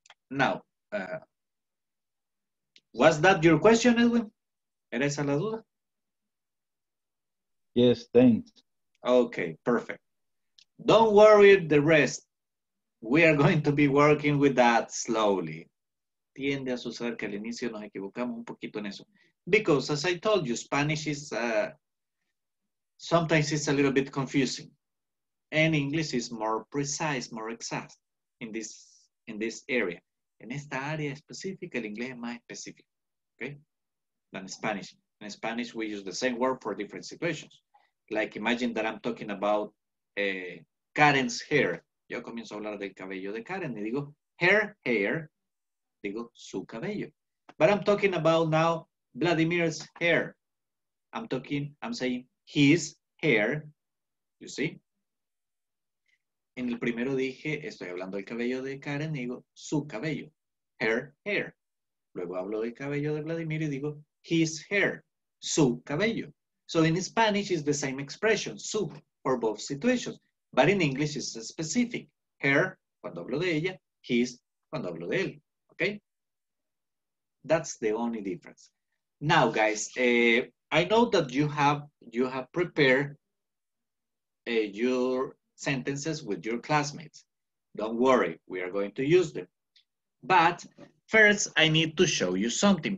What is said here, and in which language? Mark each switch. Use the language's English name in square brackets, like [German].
[English] Now, was that your question, Edwin? [Spanish] ¿Era esa la duda? [English] Yes, thanks. Okay, perfect. Don't worry the rest. We are going to be working with that slowly. [Spanish] Tiende a suceder que al inicio nos equivocamos un poquito en eso. [English] Because as I told you, Spanish is, sometimes it's a little bit confusing. And English is more precise, more exact in this area. [Spanish] En esta área específica, el inglés es más específico, okay? [English] Than Spanish. In Spanish, we use the same word for different situations. Like imagine that I'm talking about Karen's hair. [Spanish] Yo comienzo a hablar del cabello de Karen y digo [English] her hair, [Spanish] digo su cabello. [English] But I'm talking about now Vladimir's hair. I'm saying his hair, you see? [Spanish] En el primero dije, estoy hablando del cabello de Karen y digo su cabello, [English] her hair. [Spanish] Luego hablo del cabello de Vladimir y digo [English] his hair, [Spanish] su cabello. [English] So in Spanish, it's the same expression, su, for both situations. But in English, it's specific. [Spanish] Her, cuando hablo de ella, his, cuando hablo de él. [English] Okay? That's the only difference. Now, guys, I know that you have prepared your sentences with your classmates. Don't worry, we are going to use them. But first, I need to show you something.